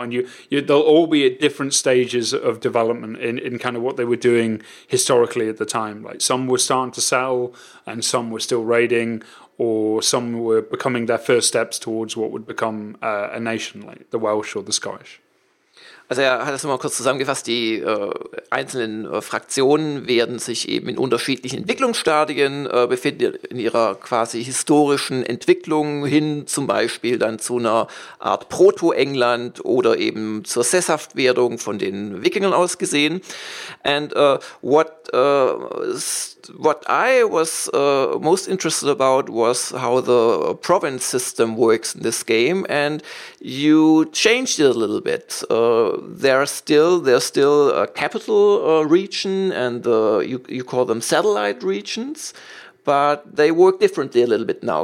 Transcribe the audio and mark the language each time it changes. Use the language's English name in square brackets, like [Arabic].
[English] And you they'll all be at different stages of development in kind of what they were doing historically at the time. Like some were starting to settle and some were still raiding, or some were becoming their first steps towards what would become a nation, like the Welsh or the Scottish. [German] Also er hat das nochmal kurz zusammengefasst, die einzelnen Fraktionen werden sich eben in unterschiedlichen Entwicklungsstadien befinden, in ihrer quasi historischen Entwicklung hin zum Beispiel dann zu einer Art Proto-England oder eben zur Sesshaftwerdung von den Wikingern ausgesehen. [English] And what I was most interested about was how the province system works in this game, and you changed it a little bit. There's still a capital region, and you call them satellite regions, but they work differently a little bit now.